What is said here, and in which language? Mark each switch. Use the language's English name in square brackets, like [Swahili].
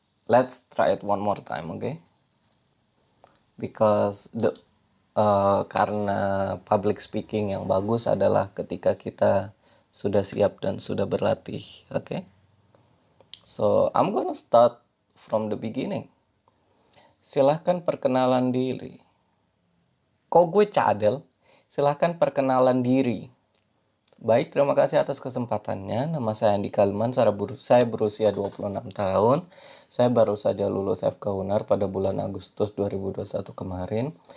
[English] Let's try it one more time, okay? [Indonesian] Because karena public speaking yang bagus adalah ketika kita sudah siap dan sudah berlatih, okay? [English] So, I'm gonna start from the beginning. [Indonesian] Silahkan perkenalan diri. Kok gue cadel? Silahkan perkenalan diri. Baik, terima kasih atas kesempatannya. Nama saya Andi Kalman, saya berusia 26 tahun. Saya baru saja lulus FK Unar pada bulan Agustus 2021 kemarin.